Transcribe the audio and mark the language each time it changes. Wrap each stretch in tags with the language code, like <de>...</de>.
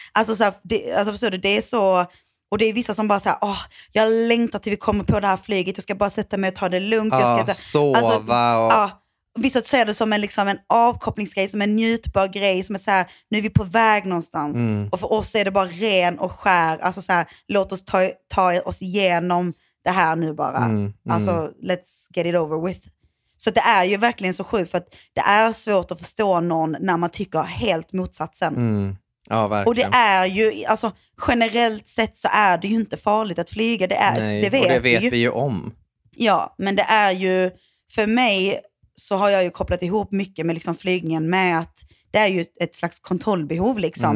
<sv>Alltså, så här, förstår du, det är så... Och det är vissa som bara säger, åh, jag längtar till vi kommer på det här flyget. Jag ska bara sätta mig och ta det lugnt. Ja, jag ska sova. Ja, vissa ser det som en, liksom, en avkopplingsgrej, som en njutbar grej. Som är så här, nu är vi på väg någonstans. Mm. Och för oss är det bara ren och skär. Alltså så här, låt oss ta oss igenom det här nu bara. Mm, mm. Alltså,</sv> <en>let's get it over with.</en> <sv>Så det är ju verkligen så sjukt. För att det är svårt att förstå någon när man tycker helt motsatsen. Mm. Ja, verkligen. Och det är ju, alltså generellt sett så är det ju inte farligt att flyga, det är, nej, det vet, och det vet vi, ju om. Ja, men det är ju, för mig så har jag ju kopplat ihop mycket med liksom flygningen med att det är ju ett slags kontrollbehov liksom.</sv>